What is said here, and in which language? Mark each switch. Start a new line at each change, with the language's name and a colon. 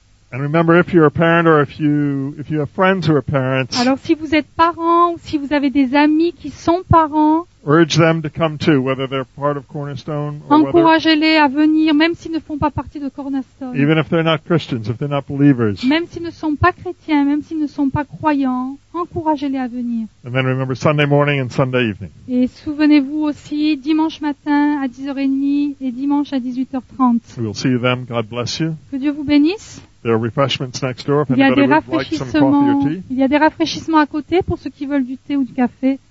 English: And remember, if you're a parent or if you have friends who are parents,
French: alors si vous êtes parents ou si vous avez des amis qui sont parents,
English: urge them to come too, whether they're part of Cornerstone or
French: encouragez-les à venir, même s'ils ne font pas partie de Cornerstone.
English: Even if they're not Christians, if they're not believers.
French: Même s'ils ne sont pas chrétiens, même s'ils ne sont pas croyants, encouragez-les à venir.
English: And then remember Sunday morning and Sunday evening.
French: Et souvenez-vous aussi, dimanche matin à 10h30 et dimanche à 18h30.
English: We'll see you then. God bless you.
French: Que Dieu vous bénisse.
English: There are refreshments next door.
French: Il y a des rafraîchissements. Il y a des rafraîchissements à côté pour ceux qui veulent du thé ou du café.